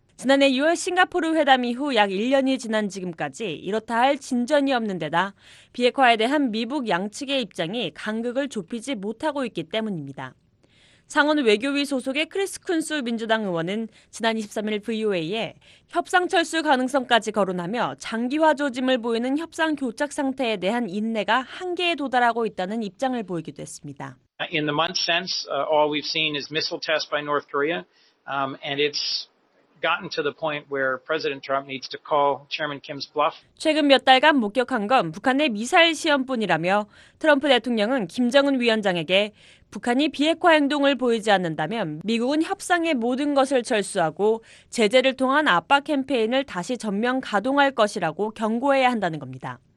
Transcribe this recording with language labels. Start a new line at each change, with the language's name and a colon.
Korean: 지난해 6월 싱가포르 회담 이후 약 1년이 지난 지금까지 이렇다 할 진전이 없는 데다 비핵화에 대한 미북 양측의 입장이 간극을 좁히지 못하고 있기 때문입니다. 상원 외교위 소속의 크리스 쿤스 민주당 의원은 지난 23일 VOA에 협상 철수 가능성까지 거론하며 장기화 조짐을 보이는 협상 교착 상태에 대한 인내가 한계에 도달하고 있다는 입장을 보이기도 했습니다.
English: In the months since, all we've seen is missile test by North Korea, and it's gotten to the point where President Trump needs to call Chairman Kim's bluff.
Korean: 최근 몇 달간 목격한 건 북한의 미사일 시험뿐이라며 트럼프 대통령은 김정은 위원장에게 북한이 비핵화 행동을 보이지 않는다면 미국은 협상의 모든 것을 철수하고 제재를 통한 압박 캠페인을 다시 전면 가동할 것이라고 경고해야 한다는 겁니다.